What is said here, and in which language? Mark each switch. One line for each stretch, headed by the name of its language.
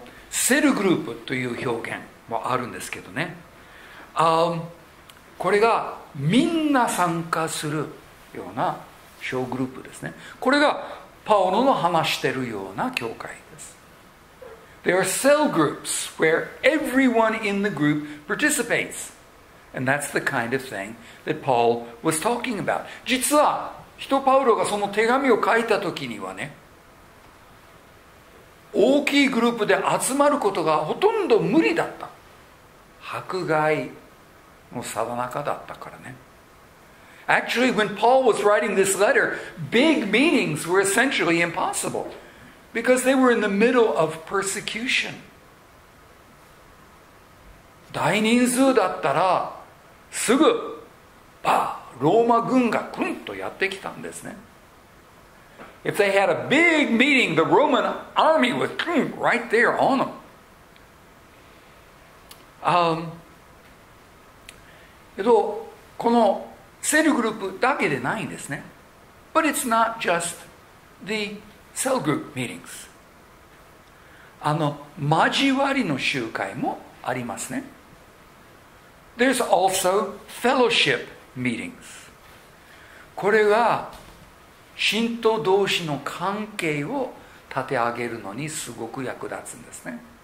Japanese: セルグループという表現もあるんですけどね。これがみんな参加するような小グループですね。これがパオロの話してるような教会です。
English: There are cell groups where everyone in the group participates. And that's the kind of thing that Paul was talking about.
Japanese: 実は、人パウロがその手紙を書いたときにはね、大きいグループで集まることがほとんど無理だった。迫害のさなかだったからね。
English: Actually, when Paul was writing this letter, big meetings were essentially impossible because they were in the middle of persecution.
Japanese: 大人数だったらすぐバーローマ軍がクンとやってきたんですね。
English: If they had a big meeting, the Roman army was right there on them.
Japanese: このセルグループだけでないんですね。
English: But it's not just the cell group meetings.
Japanese: 交わりの集会もありますね。
English: There's also fellowship meetings.
Japanese: これが信徒同士の関係を立て上げるのにすごく役立つんですね。